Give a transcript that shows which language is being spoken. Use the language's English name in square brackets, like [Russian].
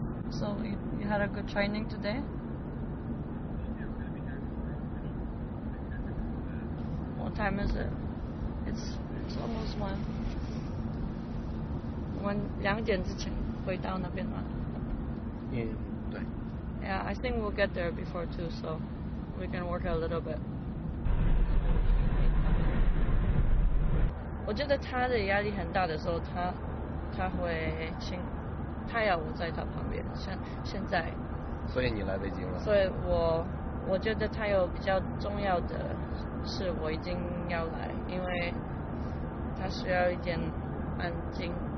[English] So you had a good training today? What time is it? It's almost one. [Chinese] 我们两点之前回到那边吗？嗯，对。 [English] Yeah, I think we'll get there before two, so we can work a little bit. [Chinese] 我觉得他的压力很大的时候，他会请，他要我在他旁边，像现在。所以你来北京了。所以我觉得他有比较重要的。是我已经要来，因为他需要一点安静。